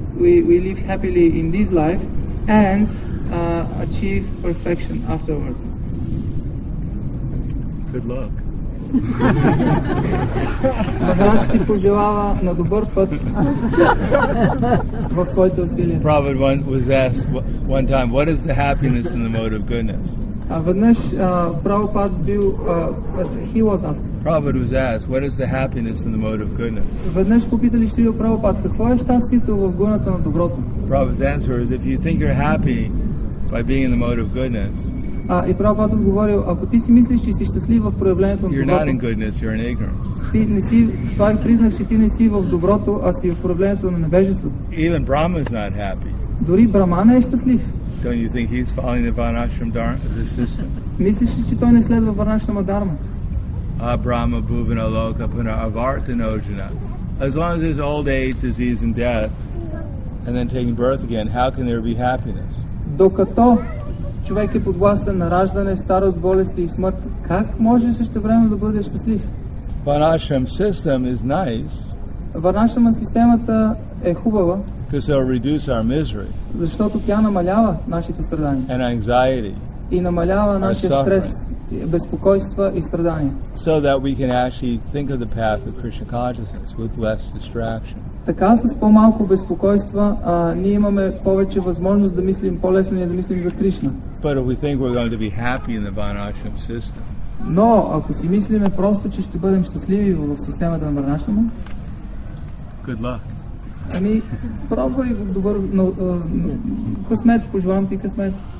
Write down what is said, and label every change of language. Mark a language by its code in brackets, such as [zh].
[en] We live happily in this life and achieve perfection afterwards. Good luck. [bg] Махарадж ти пожелава на добър път в твоите усилия. [en] Prabhupada one was asked one time, what is the happiness in the mode of goodness? [bg] Веднъж Прабхупад бил, [en] he was asked. Prabhupada was asked, what is the happiness in the mode of goodness? [bg] Веднъж попитали Шрила Прабхупад, какво е щастието в гуната на доброто? [en] Prabhupada's answer is, if you think you're happy by being in the mode of goodness. [bg] И Прабхупад отговорил, ако ти си мислиш, че си щастлив в проявлението на [en] you're [bg] доброто, [en] not in goodness, you're in ignorance. [bg] Ти не си, това е признак, че ти не си в доброто, а си в проявлението на невежеството. [en] Even Brahma is not happy. [bg] Дори Брахман е щастлив. [en] Don't you think he's following the Varnashram Dharma, the system? [bg] Мислиш ли, че той не следва Варнашрама Дарма? [sa] Brahma Bhuvana Loka Puna Avartanojana. [en] As long as there's old age, disease and death, and then taking birth again, how can there be happiness? [bg] Докато човек е подвластен на раждане, старост, болести и смърт. Как може същевременно да бъдеш щастлив? [en] Varnashram system is nice. [bg] Varnashrama системата е хубава. [en] Because it will reduce our misery. [bg] Защото тя намалява нашите страдания. [en] And anxiety. [bg] и намалява нашия стрес, безпокойства и страдания. [en] So that we can actually think of the path of Krishna consciousness with less distraction. [bg] Така с по-малко безпокойства, ние имаме повече възможност да мислим по-лесно и да мислим за Кришна. [en] But if we think we're going to be happy in the Varnashram system. [bg] Но ако си мислиме просто, че ще бъдем щастливи в системата на Варнашрама. [en] Good luck. [bg] Ами, пробвай добър, но късмет, пожелавам ти късмет.